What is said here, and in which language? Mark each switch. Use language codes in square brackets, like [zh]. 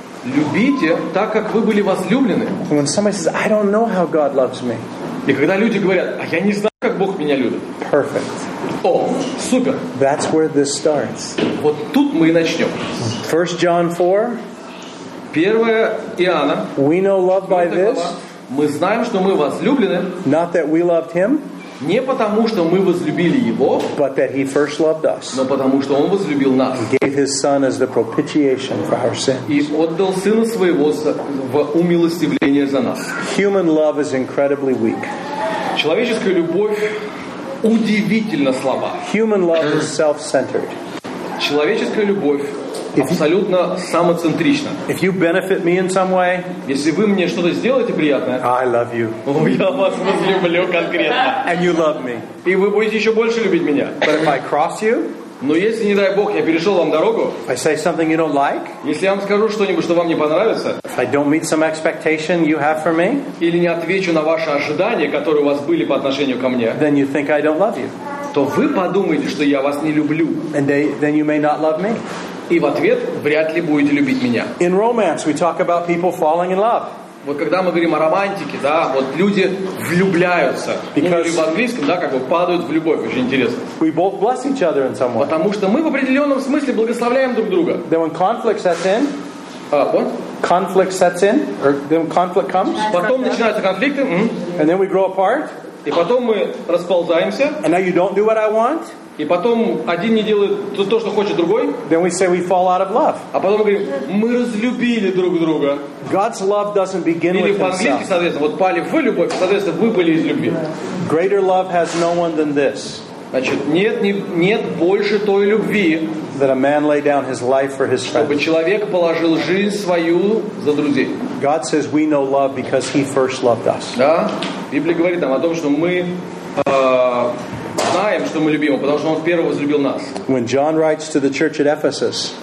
[ru] Любите так, как вы были возлюблены. [en] When somebody says, "I don't know how God loves me." [ru] И когда люди говорят, "А я не знаю, как Бог меня любит." [en] Perfect. [ru] О, супер. [en] That's where this starts. [ru] Вот тут мы и начнем. [en] 1 John 4. [ru] Первое Иоанна. [en] We know love by this. [ru] Мы знаем, что мы возлюблены. [en] Not that we loved him. [ru] Не потому, что мы возлюбили его. [en] But that he first loved us. [ru] Но потому, что он возлюбил нас. [en] He gave his son as the propitiation for our sins. [ru] И отдал сына своего в умилостивление за нас. [en] Human love is incredibly weak. [ru] Человеческая любовь удивительно слаба. [en] Human love is self-centered. [ru] Человеческая любовь абсолютно самоцентрично. [en] If you benefit me in some way, [ru] если вы мне что-то сделаете приятное, [en] I love you. [ru] Я вас возлюблю конкретно. [en] And you love me. [ru] И вы будете еще больше любить меня. [en] But if I cross you, [ru] но если, не дай Бог, я перешел вам дорогу, [en] I say something you don't like, [ru] если я вам скажу что-нибудь, что вам не понравится, [en] if I don't meet some expectation you have for me, [ru] или не отвечу на ваши ожидания, которые у вас были по отношению ко мне, [en] then you think I don't love you. [ru] То вы подумаете, что я вас не люблю. [en] And then you may not love me. [ru] И в ответ вряд ли будете любить меня. [en] In romance, we talk about people falling in love. [ru] Вот когда мы говорим о романтике, да, вот люди влюбляются. [en] Because [ru] в английском, да, как бы падают в любовь, очень интересно. [en] We both bless each other in some way. [ru] Потому что мы в определенном смысле благословляем друг друга. [en] Then when conflict sets in, what? Conflict sets in, or then conflict comes. [ru] Потом начинаются конфликты. [en] And then we grow apart. [ru] И потом мы расползаемся. [en] And now you don't do what I want. [ru] И потом один не делает то, что хочет другой. [en] Then we say we fall out of love. [ru] А потом мы говорим, мы разлюбили друг друга. [en] God's love doesn't begin [ru] Или [en] with himself. [ru] Или по-английски, соответственно, вот пали в любовь, соответственно, вы были из любви. [en] Greater love has no one than this. [ru] Значит, нет больше той любви, [en] that a man lay down his life for his friends. [ru] Чтобы человек положил жизнь свою за друзей. [en] God says we know love because he first loved us. [ru] Да? Библия говорит там о том, что мы знаем, что мы любим, потому что он первым возлюбил нас. [en] When John writes to the church at Ephesus,